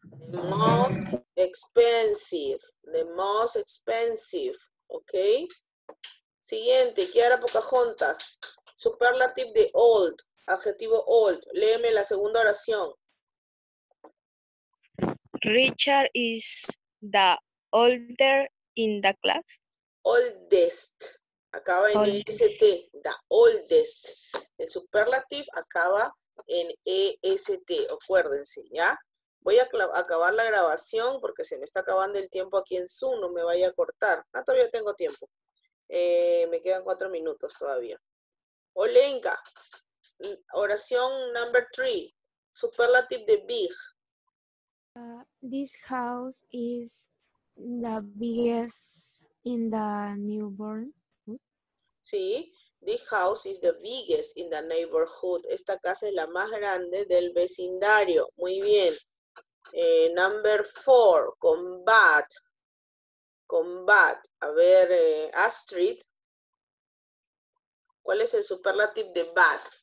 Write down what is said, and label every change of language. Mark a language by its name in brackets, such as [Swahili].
[English] The most expensive. The most expensive. ¿Ok? Siguiente. [Spanish] Kiara Pocahontas. Superlative de old. Adjetivo old. Léeme la segunda oración. [English] Richard is the older in the class. [Spanish] Oldest. Acaba en EST. [English] The oldest. [Spanish] El superlative acaba en EST. Acuérdense, ¿ya? Voy a acabar la grabación porque se me está acabando el tiempo aquí en Zoom. No me vaya a cortar. Ah, todavía tengo tiempo. Me quedan 4 minutos todavía. Olenka. Oración number 3. Superlative de big. [English] This house is the biggest in the neighborhood. Sí, this house is the biggest in the neighborhood. [Spanish] Esta casa es la más grande del vecindario. Muy bien. Number 4, combat. Combat. A ver, Astrid. ¿Cuál es el superlative de bat?